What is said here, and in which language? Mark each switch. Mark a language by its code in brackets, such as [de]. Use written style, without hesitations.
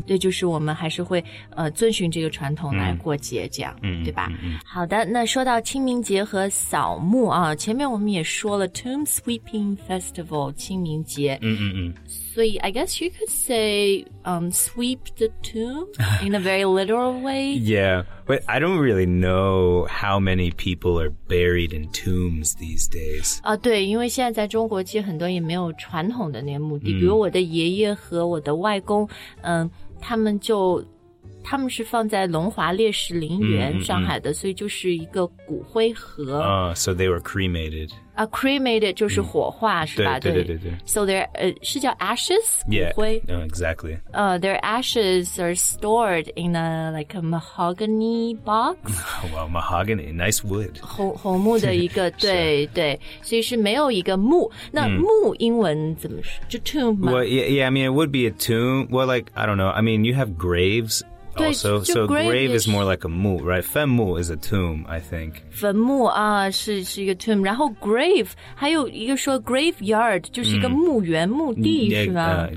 [zh] 对就是我们还是会遵循这个传统来过节这样对吧好的那说到清明节和扫墓啊前面我们也说了 Tomb Sweeping Festival, 清明节。 [en] 所以 I guess you could say, sweep the tomb in a very literal way. yeah. But I don't really know how many people are buried in tombs these days. [zh] 对，因为现在在中国其实很多也没有传统的那些墓地。比如我的爷爷和我的外公，他们是放在龙华烈士陵园，上海的，所以就是一个骨灰盒。 [en] So they were cremated. [zh] Cremated 就是火化，是吧？对。 [en] So they're, [zh] 是叫 [en] ashes? Yeah, [zh] 骨灰。 [en] Exactly. Their ashes are stored in a mahogany box. Well, mahogany, nice wood. [zh] 红木的一个，对对，所以是没有一个墓。那墓英文怎么说？就 tomb 吗？ [en] Well, yeah, I mean, it would be a tomb. Well, like, I don't know. I mean, you have graves. Also, so grave is more like a 墓, right? 坟墓 is a tomb, I think. [zh] 坟墓啊，是一个 tomb. 然后 grave, 还有一个说 graveyard, 就是一个墓园、墓地，是吧？